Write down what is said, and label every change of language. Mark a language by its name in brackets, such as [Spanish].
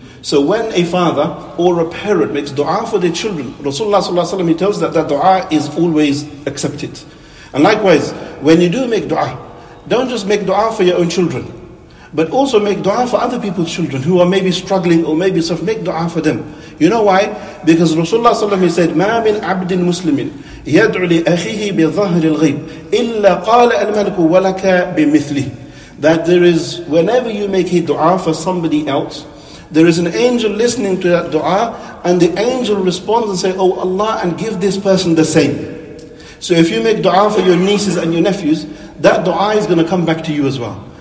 [English] So when a father or a parent makes du'a for their children, Rasulullah sallallahu alayhi wa sallam, he tells that du'a is always accepted. And likewise, when you do make du'a, don't just make du'a for your own children, but also make du'a for other people's children who are maybe struggling or maybe suffering. Make du'a for them. You know why? Because Rasulullah sallallahu alayhi wa sallam, he said, [Arabic] مَا مِنْ عَبْدٍ مُسْلِمٍ يَدْعُ لِأَخِيهِ بِظَهْرِ الْغِيبِ إِلَّا قَالَ الْمَلِكُ وَلَكَ بِمِثْلِهِ. [English] That there is, whenever you make a du'a for somebody else, there is an angel listening to that du'a, and the angel responds and says, oh Allah, and give this person the same. So if you make du'a for your nieces and your nephews, that du'a is going to come back to you as well.